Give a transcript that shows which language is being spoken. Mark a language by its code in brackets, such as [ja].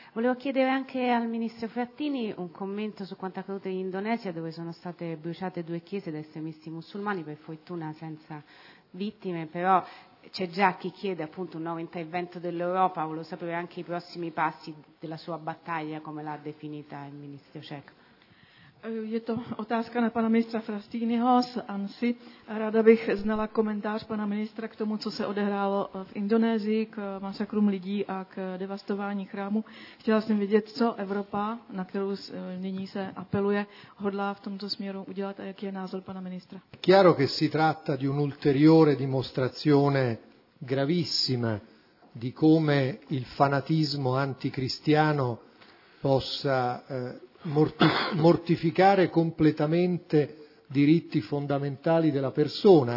[it] Volevo chiedere anche al Ministro Frattini un commento su quanto accaduto in Indonesia, dove sono state bruciate due chiese da estremisti musulmani, per fortuna senza vittime, però c'è già chi chiede appunto un nuovo intervento dell'Europa. Volevo sapere anche i prossimi passi della sua battaglia, come l'ha definita il Ministro Ceca. [cs] Je to otázka na pana ministra Frattiniho z ANSI. Ráda bych znala komentář pana ministra k tomu, co se odehrálo v Indonésii, k masakrům lidí a k devastování chrámu. Chtěla jsem vědět, co Evropa, na kterou nyní se apeluje, hodlá v tomto směru udělat a jaký je názor pana ministra. [it] Chiaro che si tratta di un'ulteriore dimostrazione gravissima di come il fanatismo anticristiano possa mortificare completamente diritti fondamentali della persona.